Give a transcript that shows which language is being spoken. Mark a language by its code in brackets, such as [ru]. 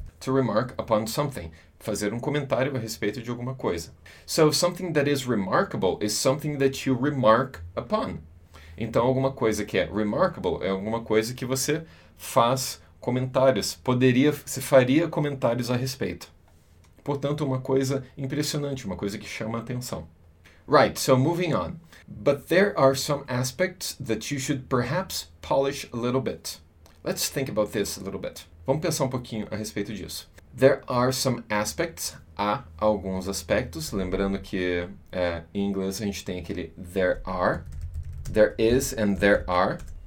[en] To remark upon something. [pt] Fazer um comentário a respeito de alguma coisa. [en] So, something that is remarkable is something that you remark upon. [pt] Então, alguma coisa que é remarkable é alguma coisa que você faz comentários. Poderia, se faria comentários a respeito. Portanto, uma coisa impressionante, uma coisa que chama a atenção. [en] Right, so moving on. But there are some aspects that you should perhaps polish a little bit. Let's think about this a little bit. [pt] Vamos pensar um pouquinho a respeito disso. [en] There are some aspects, [pt] há alguns aspectos, lembrando que em inglês a gente tem aquele [en] there are, there is and there are.